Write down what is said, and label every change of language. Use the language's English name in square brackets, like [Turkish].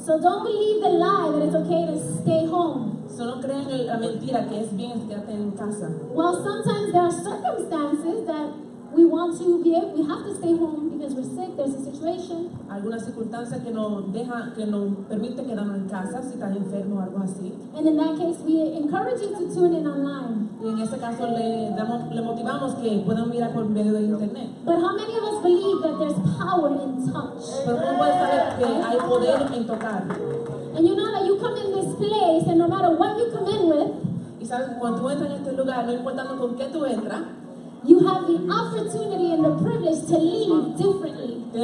[English] So don't believe the lie that it's okay to stay home. [Spanish] So no crean la mentira que es bien quedarte en casa. [English] Well, sometimes there are circumstances that we want to be able, we have to stay home because we're sick, there's a situation. [Spanish] Alguna circunstancia que no deja, que no permite quedarnos en casa si estás enfermo o algo así. [English] And in that case, we encourage you to tune in online. [Spanish] Y en ese caso le motivamos que puedan mirar por medio de internet. [English] But how many of us believe that there's power in touch? [Spanish] Pero ¿cómo puedes saber que hay poder en tocar? [English] And you know that you come in this place and no matter what you come in with, [Spanish] y sabes que cuando tú entras en este lugar, no importando con qué tú entras, [English] you have the opportunity and the privilege to leave differently.